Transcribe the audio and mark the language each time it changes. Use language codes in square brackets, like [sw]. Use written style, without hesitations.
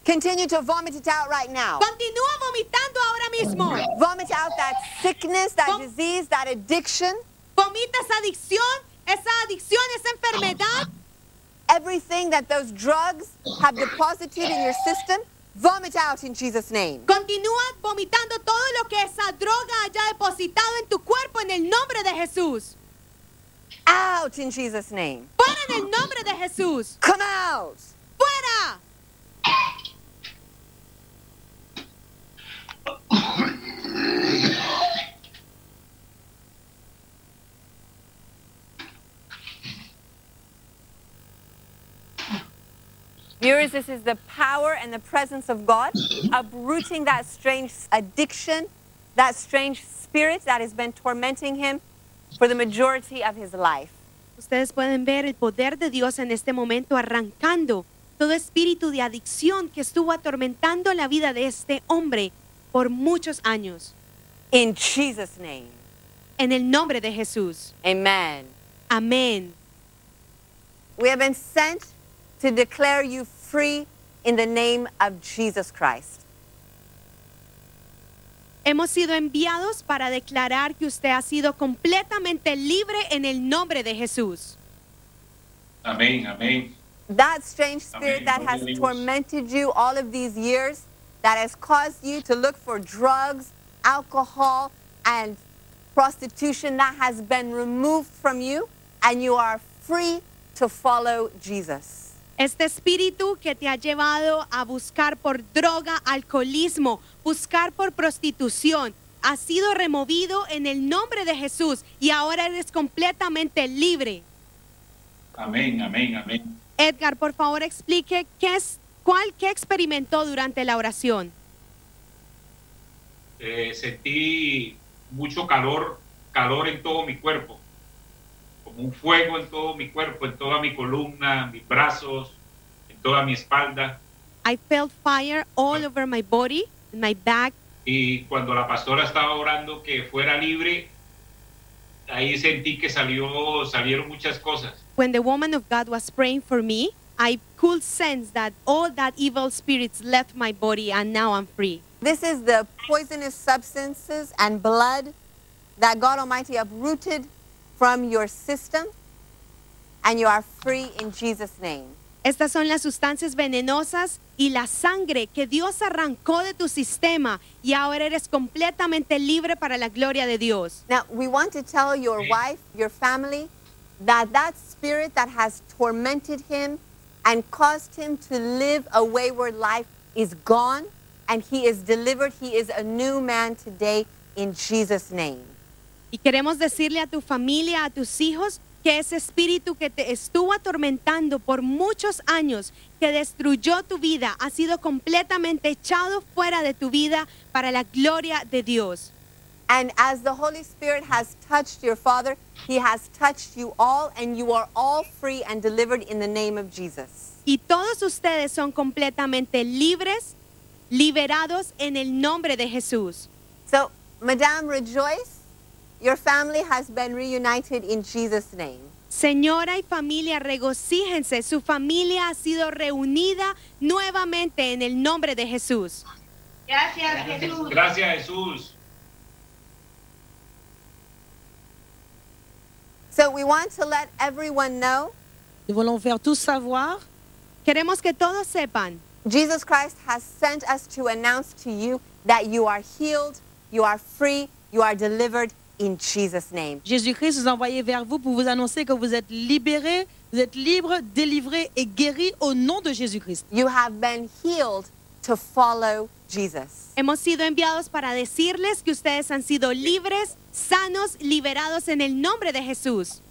[en] Continue to vomit it out right now. [es] Continúa vomitando ahora mismo. [en] Vomit out that sickness, that disease, that addiction. [es] Vomita esa adicción, esa enfermedad. [en] Everything that those drugs have deposited in your system. Vomit out in Jesus' name. [es] Continúa vomitando todo lo que esa droga haya depositado en tu cuerpo en el nombre de Jesús. [en] Out in Jesus' name. [es] Fuera en el nombre de Jesús. [en] Come out. [es] Fuera. [en] Viewers, this is the power and the presence of God uprooting that strange addiction, that strange spirit that has been tormenting him for the majority of his life. [es] Ustedes pueden ver el poder de Dios en este momento arrancando todo espíritu de adicción que estuvo atormentando la vida de este hombre por muchos años. [en] In Jesus' name. [es] En el nombre de Jesús. Amen. Amen. [en] We have been sent to declare you free in the name of Jesus Christ. [es] Hemos sido enviados para declarar que usted ha sido completamente libre en el nombre de Jesús. Amén, amén. [en] That strange spirit that has tormented you all of these years, that has caused you to look for drugs, alcohol, and prostitution, that has been removed from you, and you are free to follow Jesus. [es] Este espíritu que te ha llevado a buscar por droga, alcoholismo, buscar por prostitución, ha sido removido en el nombre de Jesús, y ahora eres completamente libre. Amén, amén, amén. Edgar, por favor, explique qué experimentó durante la oración. Sentí mucho calor en todo mi cuerpo, como un fuego en todo mi cuerpo, en toda mi columna, mis brazos, en toda mi espalda. [en] I felt fire all over my body, my back. [es] Y cuando la pastora estaba orando que fuera libre, ahí sentí que salieron muchas cosas. [en] When the woman of God was praying for me, I could sense that all that evil spirits left my body and now I'm free. This is the poisonous substances and blood that God Almighty uprooted from your system, and you are free in Jesus' name. [es] Estas son las sustancias venenosas y la sangre que Dios arrancó de tu sistema, y ahora eres completamente libre para la gloria de Dios. [en] Now, we want to tell your wife, your family, that spirit that has tormented him and caused him to live a wayward life is gone, and he is delivered. He is a new man today in Jesus' name. [es] Y queremos decirle a tu familia, a tus hijos, que ese espíritu que te estuvo atormentando por muchos años, que destruyó tu vida, ha sido completamente echado fuera de tu vida para la gloria de Dios. [en] And as the Holy Spirit has touched your father, he has touched you all, and you are all free and delivered in the name of Jesus. [es] Y todos ustedes son completamente libres, liberados en el nombre de Jesús. [en] So, Madame, rejoice. Your family has been reunited in Jesus' name. [es] Señora y familia, regocíjense. Su familia ha sido reunida nuevamente en el nombre de Jesús. Gracias, Jesús. Gracias, Jesús. [en] So we want to let everyone know. [fr] Nous voulons faire tout savoir. [es] Queremos que todos sepan. [en] Jesus Christ has sent us to announce to you that you are healed, you are free, you are delivered in Jesus' name. [fr] Jésus-Christ nous a envoyé vers vous pour vous annoncer que vous êtes libéré, vous êtes libre, délivré et guéri au nom de Jésus-Christ. [en] You have been healed to follow Jesus. [es] Hemos sido enviados para decirles que ustedes han sido libres, sanos, liberados en el nombre de Jesús.